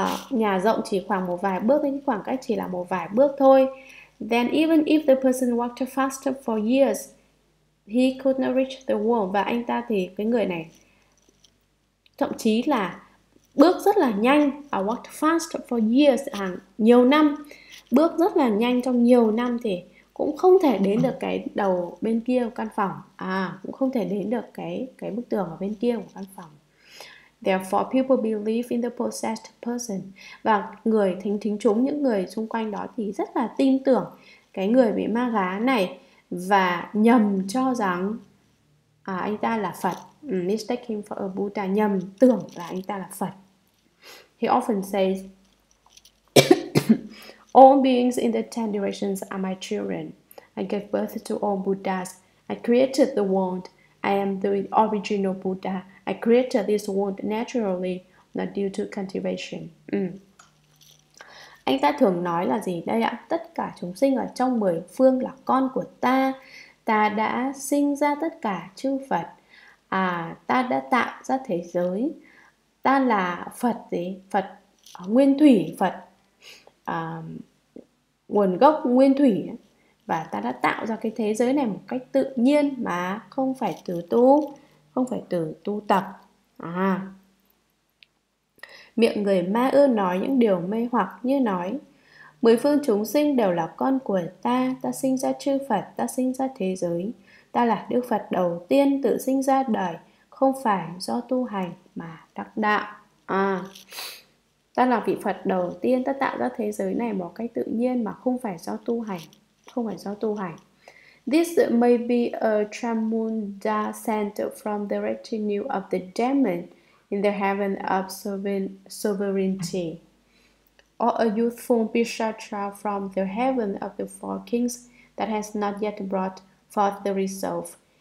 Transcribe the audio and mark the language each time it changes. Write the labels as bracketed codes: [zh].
[vi] Nhà rộng chỉ khoảng một vài bước, cái khoảng cách chỉ là một vài bước thôi. [en] Then even if the person walked faster for years, he could not reach the wall. [vi] Và anh ta thì cái người này thậm chí là bước rất là nhanh, [en] walked fast for years, [vi] nhiều năm, bước rất là nhanh trong nhiều năm thì cũng không thể đến được cái đầu bên kia của căn phòng, cũng không thể đến được cái bức tường ở bên kia của căn phòng. [en] Therefore, people believe in the possessed person. [vi] Và người thính thính chúng, những người xung quanh đó thì rất là tin tưởng cái người bị ma gá này, và nhầm cho rằng anh ta là Phật. [en] Mistake him for a Buddha, [vi] nhầm tưởng là anh ta là Phật. [en] He often says, "All beings in the 10 directions are my children. I gave birth to all Buddhas. I created the world. I am the original Buddha. I created this world naturally, not due to cultivation. [vi] Anh ta thường nói là gì đây ạ? Tất cả chúng sinh ở trong mười phương là con của ta. Ta đã sinh ra tất cả chư Phật. Ta đã tạo ra thế giới. Ta là Phật gì? Phật nguyên thủy, Phật nguồn gốc nguyên thủy. Và ta đã tạo ra cái thế giới này một cách tự nhiên mà không phải từ tu, không phải từ tu tập. Miệng người ma ưa nói những điều mê hoặc như nói: mười phương chúng sinh đều là con của ta. Ta sinh ra chư Phật, ta sinh ra thế giới. Ta là Đức Phật đầu tiên tự sinh ra đời, không phải do tu hành mà đắc đạo. Ta là vị Phật đầu tiên, ta tạo ra thế giới này một cách tự nhiên mà không phải do tu hành. Không phải do tu hành. [en] This may be a Chamunda sent from the retinue of the demon in the heaven of sovereignty, or a youthful Bishatra from the heaven of the four kings that has not yet brought forth the resolve.